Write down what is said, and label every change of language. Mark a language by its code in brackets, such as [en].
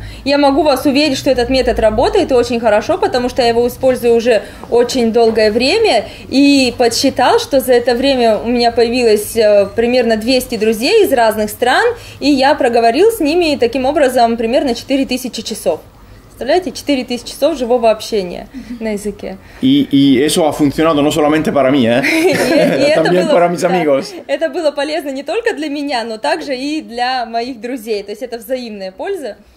[ru] Я могу вас уверить, что этот метод работает очень хорошо, потому что я его использую уже очень долгое время и подсчитал, что за это время у меня появилось примерно 200 друзей из разных стран, и я проговорил с ними таким образом примерно 4000 часов. Представляете, 4000 часов живого общения на языке. И [es] eso ha funcionado no solamente para mí, también para mis amigos. [ru] Это было полезно не только для меня, но также и для моих друзей. То есть это взаимная польза.